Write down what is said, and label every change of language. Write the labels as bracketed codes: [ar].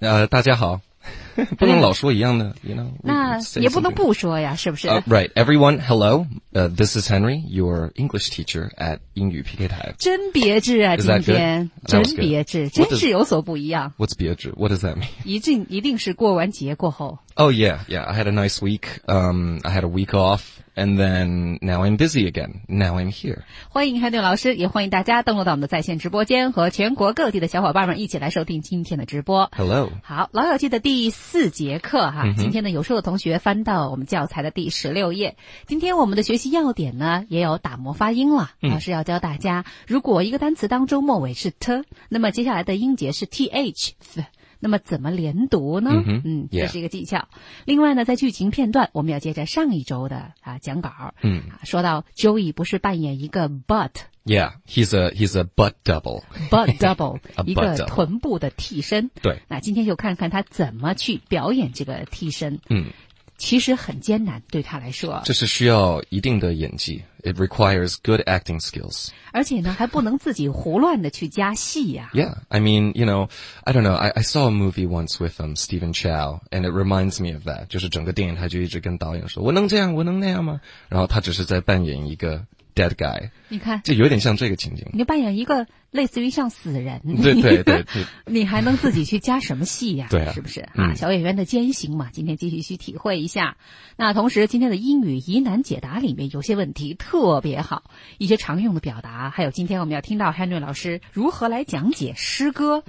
[zh] 大家好不能老说一样的 [en] you know, [zh] 那也不能不说呀，是不是、 [en] Right, everyone, hello, this is Henry, your English teacher at 英语 PK 台。 [zh] 真别致啊，今天真别致，真是有所不一样。 [en] What's 别致？What does that mean? [zh] 一定是过完节过后。 [en] Oh yeah, yeah, I had a nice week, I had a week off, and then now I'm busy again, now I'm here. [zh] 欢迎 Henry 老师，也欢迎大家登录到我们的在线直播间，和全国各地的小伙伴们一起来收听今天的直播。 [en] Hello. [zh] 好，老友记的第四节课哈、mm-hmm. 今天呢有时候的同学翻到我们教材的第16页，今天我们的学习要点呢也有打磨发音了、mm-hmm. 老师要教大家，如果一个单词当中末尾是 t， 那么接下来的音节是 th， 那么怎么连读呢、 mm-hmm. 嗯，这是一个技巧、yeah. 另外呢在剧情片段我们要接着上一周的讲稿、 mm-hmm. 说到 Joey 不是扮演一个 butt， [en] Yeah, he's a butt double. Butt double, a butt double. [zh] 一个臀部的替身。对。那今天就看看他怎么去表演这个替身。嗯。其实很艰难对他来说。这是需要一定的演技。 [en] It requires good acting skills. [zh] 而且呢还不能自己胡乱的去加戏啊。 [en] Yeah, I mean, you know, I don't know, I saw a movie once with Stephen Chow, and it reminds me of that. [zh] 就是整个电影他就一直跟导演说我能这样我能那样吗，然后他只是在扮演一个 [en] dead guy， [zh] 你看这有点像这个情景，你扮演一个类似于像死人，对对 对, 对你还能自己去加什么戏呀、啊、对啊，是不是、嗯、小演员的艰辛嘛，今天继续去体会一下。那同时今天的英语疑难解答里面有些问题特别好，一些常用的表达，还有今天我们要听到 Henry 老师如何来讲解诗歌、